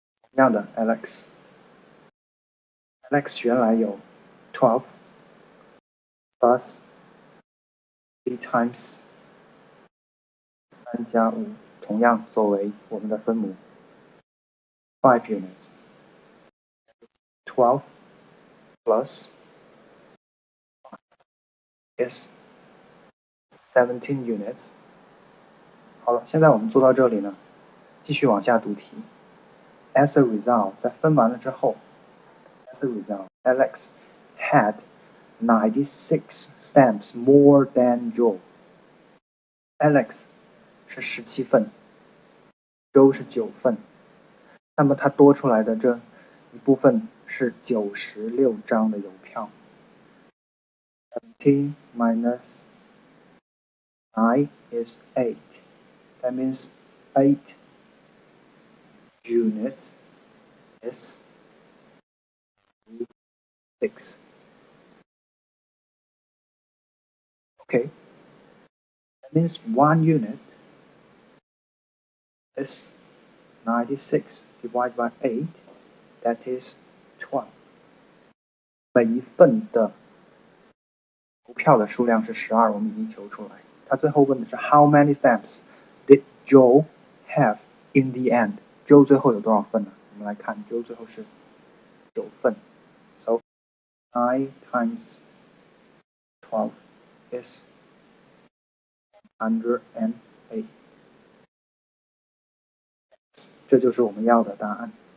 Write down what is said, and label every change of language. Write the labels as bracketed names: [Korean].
[Chinese] 同样的 Alex 原来有 [English] 12 plus 3 times [Chinese] 3加5，同样作为我们的分母 [English] 5 units。 12 plus is 17 units。 [Chinese] 好了，现在我们做到这里呢，继续往下读题。 [English] As a result, [Chinese] 在分完了之后， [English] As a result, Alex had 96 stamps more than Joe. [Chinese] Alex 是17份， Joe 是9份，那么他多出来的这一部分是96张的邮票。 [English] 17 minus 9 is 8. That means 8 units is 6. Okay. That means 1 unit is 96 divided by 8. That is 12. [Chinese] 每一份的邮票的数量是12，我们已经求出来。他最后问的是 [English] How many stamps did Joe have in the end? [Chinese] Joe 最后有多少份呢？我们来看 Joe 最后是9份。 [English] So 9 times 12 is 108. [Chinese] 这就是我们要的答案。